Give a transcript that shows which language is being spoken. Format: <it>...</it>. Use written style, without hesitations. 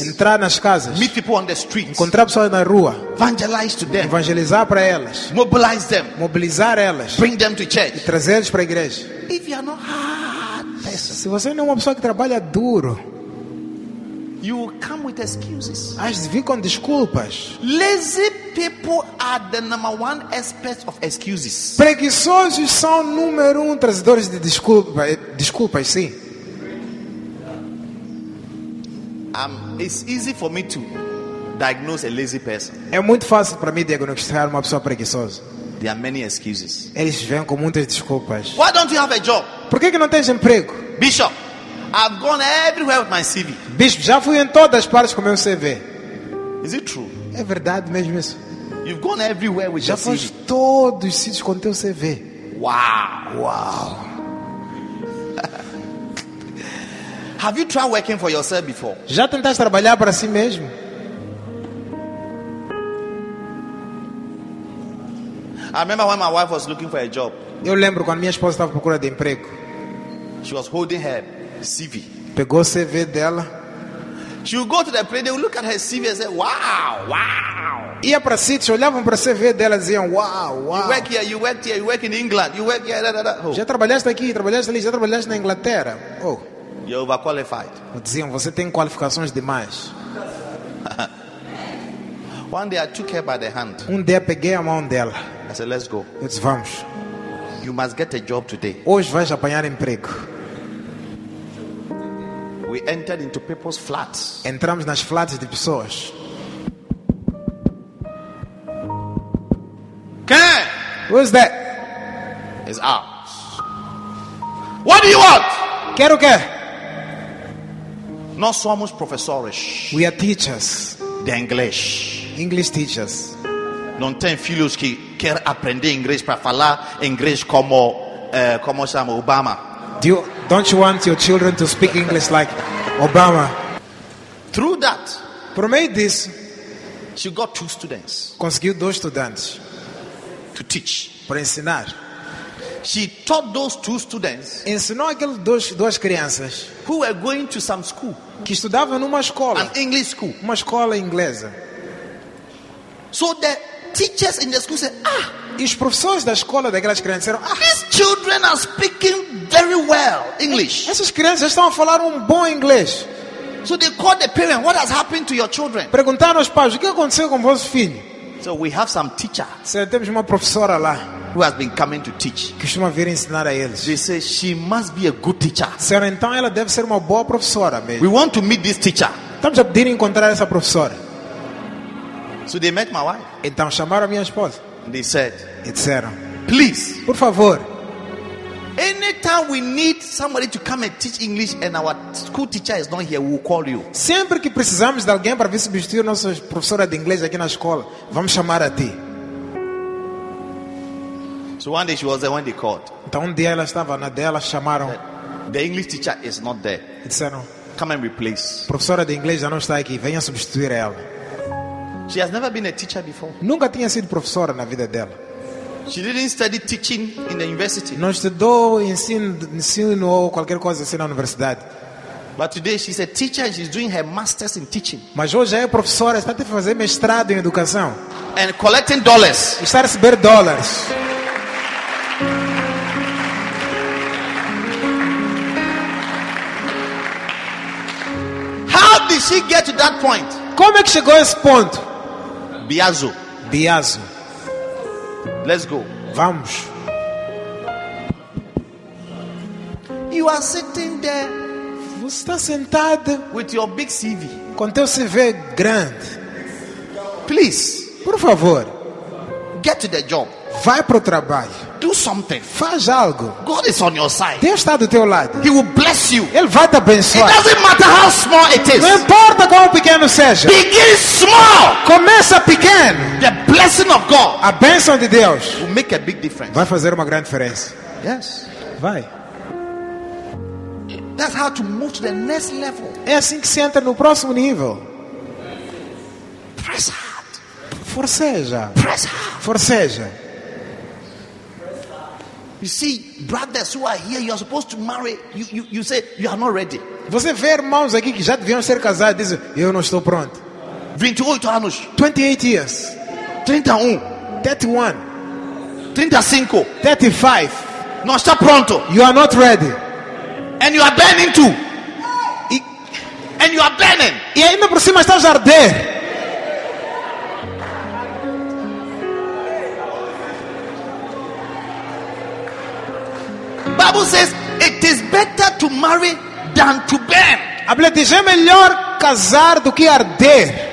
<pt>Entrar nas casas.</pt> <en>Meet people on the streets.</en> <pt>Encontrar pessoas na rua.</pt> <en>Evangelize to them.</en> <pt>Evangelizar para elas.</pt> <en>Mobilize them.</en> <pt>Mobilizar elas.</pt> <en>Bring them to church.</en> <pt>E trazê-los para a igreja.</pt> <en>If you are not hard person,</en> <pt>se você não é uma pessoa que trabalha duro,</pt> <en>you will come with excuses.</en> <pt>Às vezes vem com desculpas.</pt> <en>Lazy people are the number one expert of excuses.</en> <pt>Preguiçosos são número um trazedores de desculpas. Desculpas, sim.</pt> <en>It's easy for me to diagnose a lazy person.</en> <pt>É muito fácil para mim diagnosticar uma pessoa preguiçosa.</pt> <en>There are many excuses.</en> <pt>Eles vêm com muitas desculpas.</pt> <en>Why don't you have a job?</en> <pt>Por que não tens emprego?</pt> <en>Bishop, I've gone everywhere with my CV.</en> <pt>Bispo, já fui em todas as partes com meu CV.</pt> <en>Is it true?</en> <pt>É verdade mesmo isso.</pt> <en>You've gone everywhere with</en> <pt>já</pt> <en>your CV.</en> <pt>Já fui todos os sítios com teu CV.</pt> <en>Wow. Have you tried working for yourself before?</en> <pt>Já tentaste trabalhar para si mesmo?</pt> <en>I remember when my wife was looking for a job.</en> <pt>Eu lembro quando minha esposa estava procurando emprego.</pt> <en>She was holding her CV.</en> <pt>Pegou o CV dela.</pt> <en>She would go to the place, they would look at her CV and say, wow.</en> <pt>Ia para sítios, olhavam para o CV dela e diziam, wow.</pt> <en>You work here, you work in England, you work here, Oh.</en> <pt>Já trabalhaste aqui, trabalhaste ali, já trabalhaste na Inglaterra. Oh.</pt> <en>You're overqualified.</en> <pt>Diziam, você tem qualificações demais.</pt> <en>One day I took her by the hand.</en> <pt>Um dia peguei a mão dela.</pt> <en>I said, let's go.</en> <pt>Eu disse, vamos.</pt> <en>You must get a job today.</en> <pt>Hoje vais apanhar emprego.</pt> <en>We entered into people's flats.</en> <pt>Entramos nas flats de pessoas. Ken!</pt> <en>Who is that? It's ours. What do you want?</en> <pt>Quero o quê? Nós somos professores.</pt> <en>We are teachers.</en> <pt>De inglês.</pt> <en>English teachers.</en> <pt>Não tem filhos que quer aprender inglês para falar inglês como como chama Obama.</pt> <en>Don't you want your children to speak English like Obama? Through that,</en> <pt>por meio disso,</pt> <en>she got two students.</en> <pt>Conseguiu dois estudantes</pt> <en>to teach.</en> <pt>Para ensinar.</pt> <en>She taught those two students.</en> <pt>Ensinou aqueles duas crianças</pt> <en>who were going to some school.</en> <pt>Que estudavam numa escola.</pt> <en>An English school.</en> <pt>Uma escola inglesa.</pt> <en>So the teachers in the school said, "Ah."</en> <pt>E os professores da escola daquelas crianças disseram, "Ah,</pt> <en>these children are speaking very well English."</en> <pt>Essas crianças estão a falar bom inglês.</pt> <en>So they called the parent, "What has happened to your children?"</en> <pt>Perguntaram aos pais, "O que aconteceu com vosso filho?"</pt> <en>So we have some teacher.</en> <pt>Sim, temos uma professora lá.</pt> <en>Who has been coming to teach?</en> <pt>Que costuma vir ensinar a eles.</pt> <en>They say she must be a good teacher.</en> <pt>Senhora, então ela deve ser uma boa professora mesmo.</pt> <en>We want to meet this teacher.</en> <pt>Estamos a pedir encontrar essa professora.</pt> <en>So they met my wife.</en> <pt>Então chamaram a minha esposa.</pt> <en>They said,</en> <pt>disseram,</pt> <en>please,</en> <pt>por favor,</pt> <en>anytime we need somebody to come and teach English and our school teacher is not here, we'll call you.</en> <pt>Sempre que precisamos de alguém para vir substituir nossa professora de inglês aqui na escola, vamos chamar a ti.</pt> <en>So one day she was there when they called.</en> <pt>Então dia ela estava na dela, chamaram.</pt> <en>The English teacher is not there.</en> <pt>Disseram,</pt> <en>come and replace.</en> <pt>Professora de inglês já não está aqui, venha substituir ela.</pt> <en>She has never been a teacher before.</en> <pt>Nunca tinha sido professora na vida dela.</pt> <en>She didn't study teaching in the university.</en> <pt>Não estudou ensino ou qualquer coisa assim na universidade.</pt> <en>But today she's a teacher and she's doing her master's in teaching.</en> <pt>Mas hoje é professora, está a fazer mestrado em educação.</pt> <en>And collecting dollars.</en> <pt>Está a receber dólares.</pt> <en>How did she get to that point?</en> <pt>Como é que chegou a esse ponto? Biazo.</pt> <en>Let's go.</en> <pt>Vamos.</pt> <en>You are sitting there.</en> <pt>Você está sentado.</pt> <en>With your big CV.</en> <pt>Com teu CV grande.</pt> <en>Please.</en> <pt>Por favor.</pt> <en>Get to the job.</en> <pt>Vai para o trabalho.</pt> <en>Do something.</en> <pt>Faz algo.</pt> <en>God is on your side.</en> <pt>Deus está do teu lado.</pt> <en>He will bless you.</en> <pt>Ele vai te abençoar.</pt> <en>It doesn't matter how small it is.</en> <pt>Não importa quão pequeno seja.</pt> <en>Begin small.</en> <pt>Começa pequeno.</pt> <en>The blessing of God.</en> <pt>A bênção de Deus.</pt> <en>Will make a big difference.</en> <pt>Vai fazer uma grande diferença.</pt> <en>Yes.</en> <pt>Vai.</pt> <en>That's how to move to the next level.</en> <pt>É assim que se entra no próximo nível.</pt> <en>Press hard.</en> <pt>Forceja.</pt> <en>Press hard.</en> <pt>Forceja.</pt> <en>You see, brothers who are here, you are supposed to marry. You say you are not ready.</en> <pt>Você vê irmãos aqui que já deviam ser casados, dizem, eu não estou pronto. 28 anos.</pt> <en>28 years. 31. 31. 35. 35.</en> <pt>Não está pronto.</pt> <en>You are not ready. And you are burning too. And you are burning.</en> <pt>E ainda por cima estás a arder.</pt> <en>Bible says it is better to marry than to burn.</en> <pt>A Bíblia diz é melhor casar do que arder.</pt>